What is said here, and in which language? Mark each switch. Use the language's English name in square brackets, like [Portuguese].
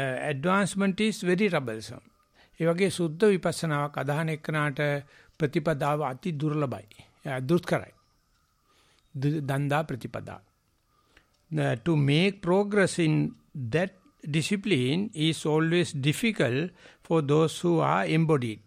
[English] Advancement is very troublesome. [Sinhala] ඒ වගේ සුද්ධ විපස්සනාවක් අදහන එක්කනාට ප්‍රතිපදාව අති දුර්ලභයි. දුෂ්කරයි. දන්දා ප්‍රතිපදා. [English] To make progress in that discipline is always difficult for those who are embodied.